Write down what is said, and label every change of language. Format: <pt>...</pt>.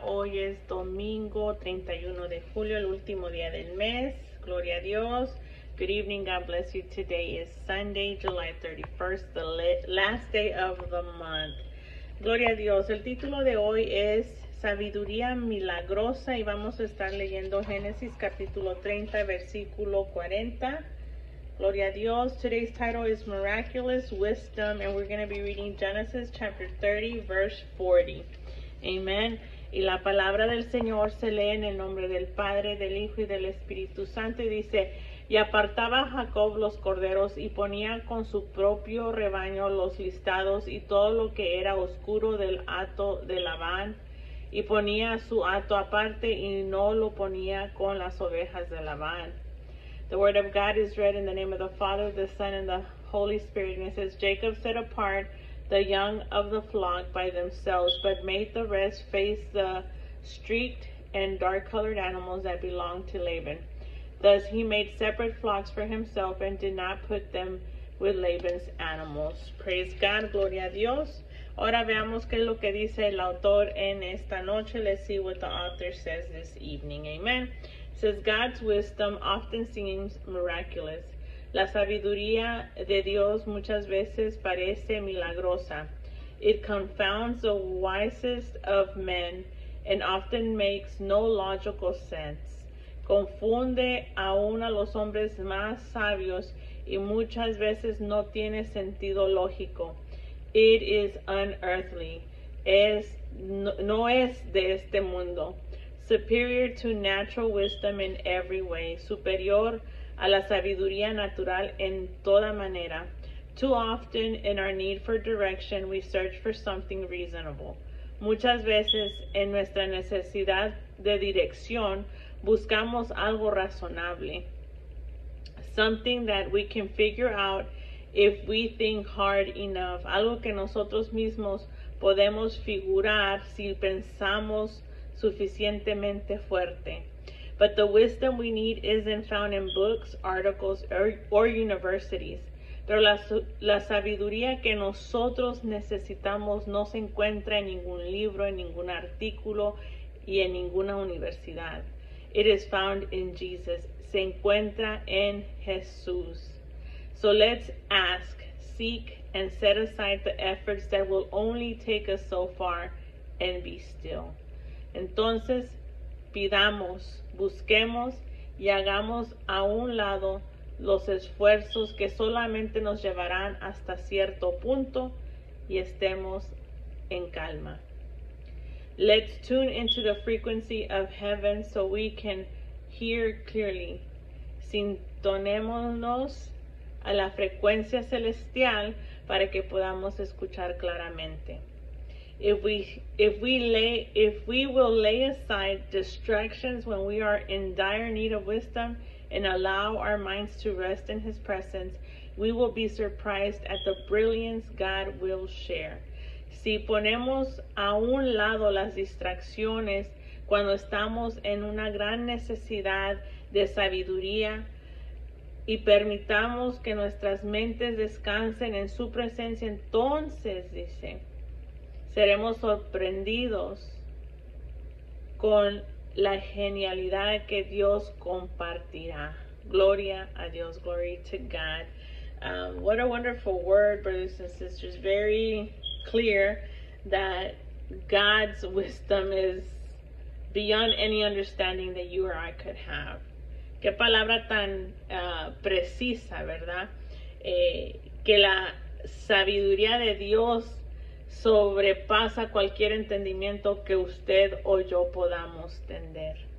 <es>Hoy es domingo 31 de julio, el último día del mes. Gloria a Dios.</es> <en>Good evening, God bless you. Today is Sunday, July 31st, the last day of the month.</en> <es>Gloria a Dios. El título de hoy es Sabiduría Milagrosa y vamos a estar leyendo Génesis capítulo 30, versículo 40. Gloria a Dios.</es> <en>Today's title is Miraculous Wisdom, and we're going to be reading Genesis chapter 30, verse 40. Amen.</en> <es>Y la palabra del Señor se lee en el nombre del Padre, del Hijo y del Espíritu Santo. Y dice: Y apartaba Jacob los corderos, y ponía con su propio rebaño los listados, y todo lo que era oscuro del hato de Labán, y ponía su hato aparte, y no lo ponía con las ovejas de Labán.</es> <en>The word of God is read in the name of the Father, the Son, and the Holy Spirit. And it says, Jacob set apart the young of the flock by themselves, but made the rest face the streaked and dark-colored animals that belonged to Laban. Thus he made separate flocks for himself and did not put them with Laban's animals. Praise God.</en> <es>Gloria a Dios. Ahora veamos qué es lo que dice el autor en esta noche.</es> <en>Let's see what the author says this evening. Amen. Says God's wisdom often seems miraculous.</en> <es>La sabiduría de Dios muchas veces parece milagrosa.</es> <en>It confounds the wisest of men and often makes no logical sense.</en> <es>Confunde aún a los hombres más sabios y muchas veces no tiene sentido lógico.</es> <en>It is unearthly.</en> <es>No es de este mundo.</es> <en>Superior to natural wisdom in every way.</en> <es>Superior a la sabiduría natural en toda manera.</es> <en>Too often in our need for direction, we search for something reasonable.</en> <es>Muchas veces en nuestra necesidad de dirección, buscamos algo razonable.</es> <en>Something that we can figure out if we think hard enough.</en> <es>Algo que nosotros mismos podemos figurar si pensamos suficientemente fuerte.</es> <en>But the wisdom we need isn't found in books, articles, or universities.</en> <es>Pero la sabiduría que nosotros necesitamos no se encuentra en ningún libro, en ningún artículo, y en ninguna universidad.</es> <en>It is found in Jesus.</en> <es>Se encuentra en Jesús.</es> <en>So let's ask, seek, and set aside the efforts that will only take us so far and be still.</en> <es>Entonces, pidamos, busquemos y hagamos a un lado los esfuerzos que solamente nos llevarán hasta cierto punto y estemos en calma.</es> <en>Let's tune into the frequency of heaven so we can hear clearly.</en> <es>Sintonémonos a la frecuencia celestial para que podamos escuchar claramente.</es> <en>If we will lay aside distractions when we are in dire need of wisdom and allow our minds to rest in His presence, we will be surprised at the brilliance God will share.</en> <es>Si ponemos a un lado las distracciones cuando estamos en una gran necesidad de sabiduría y permitamos que nuestras mentes descansen en su presencia, entonces, dice, seremos sorprendidos con la genialidad que Dios compartirá. Gloria a Dios.</es> <en>Glory to God. What a wonderful word, brothers and sisters. Very clear that God's wisdom is beyond any understanding that you or I could have.</en> <es>Qué palabra tan precisa, ¿verdad? Que la sabiduría de Dios sobrepasa cualquier entendimiento que usted o yo podamos tener.</es>